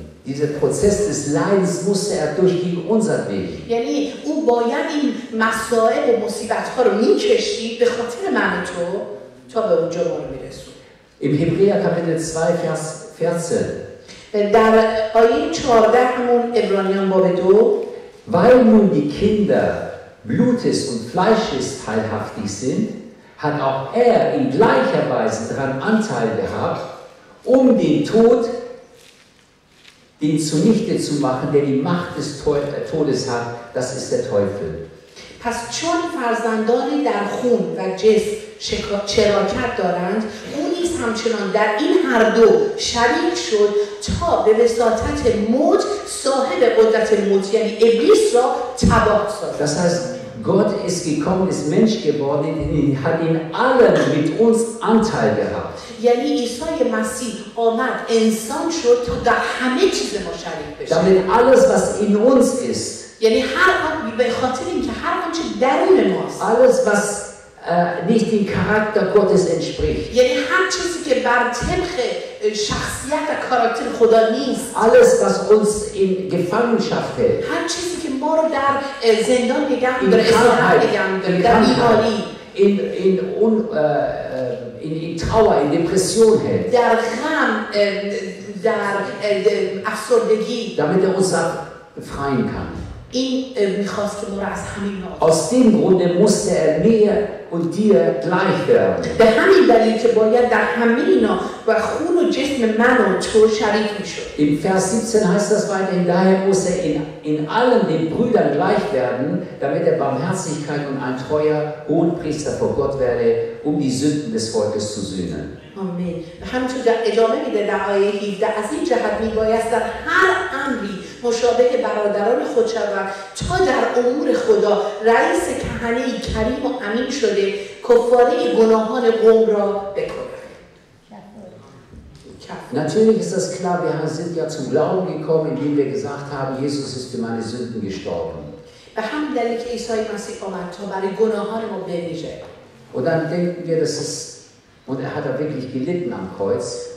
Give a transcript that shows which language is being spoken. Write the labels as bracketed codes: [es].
[de] Dieser Prozess des Leidens musste er durchgehen, unser Weg. [fa] یعنی او باید این مسائل و مصیبت‌ها رو می‌کشید به خاطر من و تو تا به اونجا ما رو می‌رسوند. [de] Im Hebräer Kapitel 2 Vers 14. [fa] در آیه 14 همون عبرانیان باب 2 [de] Weil nun die Kinder Blutes und Fleisches teilhaftig sind, hat auch er in gleicher Weise daran Anteil gehabt, um den Tod, den zunichte zu machen, der die Macht des Todes hat, das ist der Teufel. [fa] پس چون فرزندانی در خون و جسم شکاکت دارند، او نیز همچنان در این هر دو شریک شد تا به وساطت موت صاحب قدرت موت یعنی ابلیس را تباه سازد. [de] Das heißt, Gott ist gekommen, ist Mensch geworden, hat in allem mit uns Anteil gehabt. [fa] یعنی عیسی مسیح آمد انسان شد تا در همه چیز ما شریک بشه. [de] Damit alles was in uns ist. [fa] یعنی هر آنچه به خاطر اینکه هر آنچه درون ماست. [de] Alles was nicht dem Charakter Gottes entspricht. [fa] یعنی هر چیزی که بر طبق شخصیت و کاراکتر خدا نیست. [de] Alles was uns in Gefangenschaft hält. [fa] هر چیزی که ما رو در زندان نگه می‌داره، در بیماری، [de] in Trauer, in Depression hält. [fa] در غم، در افسردگی. [de] Damit er uns befreien kann. [fa] این می‌خواست که ما رو از همین نقاط. [de] Aus dem Grunde musste er mir und dir gleich werden. [fa] به همین دلیل که باید در همین اینا و خون و جسم من و تو شریک میشد. [de] In Vers 17 heißt das weiterhin, daher muss er in allen den Brüdern gleich werden, damit er Barmherzigkeit und ein treuer Hohenpriester vor Gott werde, um die Sünden des Volkes zu sühnen. [fa] آمین. همچون در ادامه میده در آیه 17 از این جهت میبایست در هر امری مشابه برادران خود شود تا در امور خدا رئیس کهنه کریم و امین شده کفاره گناهان قوم را بکنه. [de] Natürlich ist das klar, wir sind ja zum Glauben gekommen, indem wir gesagt haben, Jesus ist für meine Sünden gestorben. [fa] به همین دلیل که عیسی مسیح آمد تا برای گناهان ما بمیره. [de] Und dann denken wir, das ist Und er hat wirklich gelitten am Kreuz.